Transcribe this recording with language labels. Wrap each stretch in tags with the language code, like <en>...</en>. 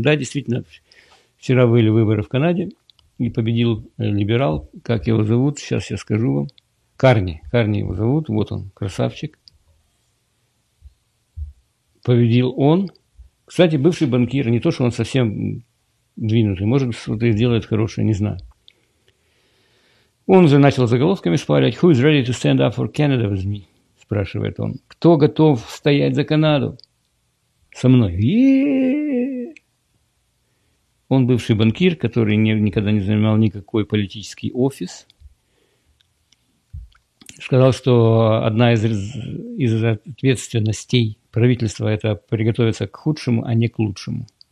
<ru>Да, действительно, вчера были выборы в Канаде, и победил либерал, как его зовут, сейчас я скажу вам. Карни его зовут, вот он, красавчик. Победил он. Кстати, бывший банкир, не то, что он совсем двинутый, может, что-то и сделает хорошее, не знаю. Он уже начал заголовками шпарить.</ru> <en>«Who is ready to stand up for Canada with me?»</en> <ru>спрашивает он. Кто готов стоять за Канаду со мной? Он бывший банкир, который никогда не занимал никакой политический офис. Сказал, что одна из ответственностей правительства – это приготовиться к худшему, а не к лучшему.</ru>